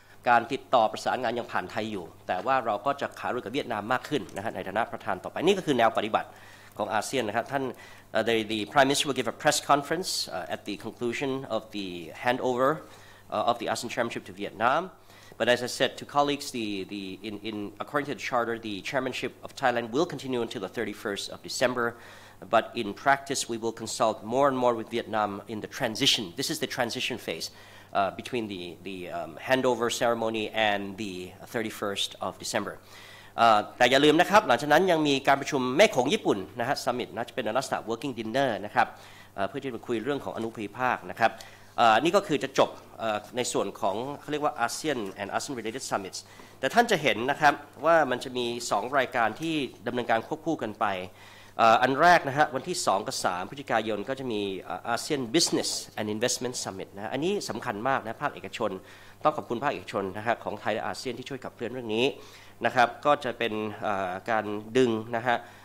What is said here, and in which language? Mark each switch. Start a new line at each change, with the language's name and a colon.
Thai: การติดต่อประสานงานยังผ่านไทยอยู่แต่ว่าเราก็จะขารุ่ยกับเวียดนามมากขึ้นนะฮะในฐานะประธานต่อไปนี่ก็คือแนวปฏิบัติของอาเซียนนะครับท่าน
English: the Prime Minister will give a press conference at the conclusion of the handover of the ASEAN chairmanship to Vietnam but as I said to colleagues the according to the charter the chairmanship of Thailand will continue until the 31st of DecemberBut in practice, we will consult more and more with Vietnam in the transition. This is the transition phase between the handover ceremony and the 31st of December.
Thai: แต่อย่าลืมนะครับหลังจากนั้นยังมีการประชุมแม่ของญี่ปุ่นนะฮะ summit นะจะเป็นลักษณะ working dinner นะครับเพื่อที่จะคุยเรื่องของอนุภูมิภาคนะครับนี่ก็คือจะจบในส่วนของเขาเรียกว่า
English: ASEAN and ASEAN related summits.
Thai: แต่ท่านจะเห็นนะครับว่ามันจะมี2รายการที่ดำเนินการควบคู่กันไปอันแรกนะฮะวันที่2กับ3พฤศจิกายนก็จะมีอาเซียน Business and Investment Summit นะอันนี้สำคัญมากนะภาคเอกชนต้องขอบคุณภาคเอกชนนะฮะของไทยและอาเซียนที่ช่วยขับเคลื่อนเรื่องนี้นะครับก็จะเป็นการดึงนะฮะ